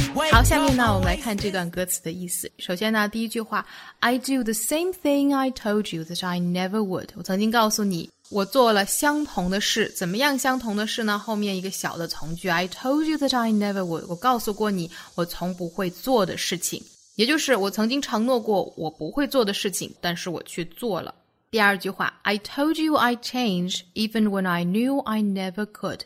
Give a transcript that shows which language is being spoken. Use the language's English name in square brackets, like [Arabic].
[Chinese] 好下面呢我们来看这段歌词的意思首先呢第一句话 [English] I do the same thing I told you that I never would [Chinese] 我曾经告诉你我做了相同的事怎么样相同的事呢后面一个小的从句 [English] I told you that I never would [Chinese] 我告诉过你我从不会做的事情也就是我曾经承诺过我不会做的事情，但是我去做了。第二句话 [English] I told you I'd change even when I knew I never could.